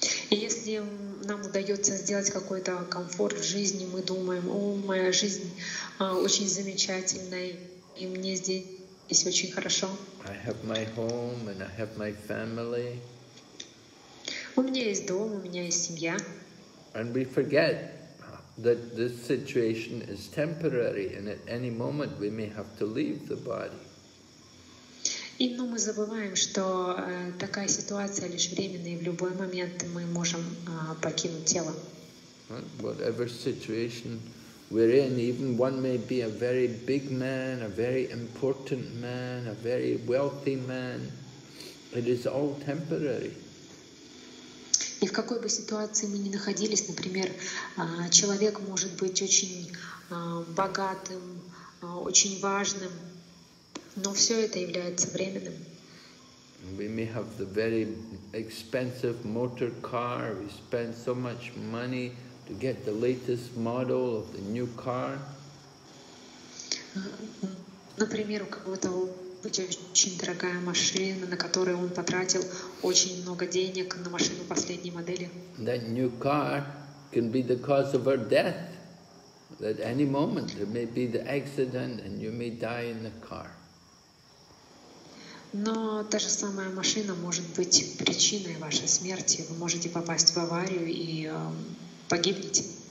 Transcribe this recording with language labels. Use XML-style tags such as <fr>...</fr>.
<ru>Если нам удается сделать какой-то комфорт в жизни, мы думаем, о, моя жизнь очень замечательная, и мне здесь очень хорошо.</ru> <en>I have my home and I have my family.</en> <ru>У меня есть дом, у меня есть семья.</ru> <en>And we forget that this situation is temporary, and at any moment we may have to leave the body.</en> <ru>И ну, мы забываем, что такая ситуация лишь временная, и в любой момент мы можем покинуть тело.</ru> <en>Whatever situation we're in, even one may be a very big man, a very important man, a very wealthy man, it is all temporary.</en> <ru>И в какой бы ситуации мы ни находились, например, человек может быть очень богатым, очень важным, но все это является временным.</ru> <en>We may have the very expensive motor car. We spend so much money to get the latest model of the new car.</en> <ru>Например, у кого-то очень дорогая машина, на которую он потратил очень много денег на машину последней модели.</ru> <en>That new car can be the cause of her death. At any moment there may be the accident and you may die in the car.</en> <ru>Но та же самая машина может быть причиной вашей смерти. Вы можете попасть в аварию и погибнете.</ru>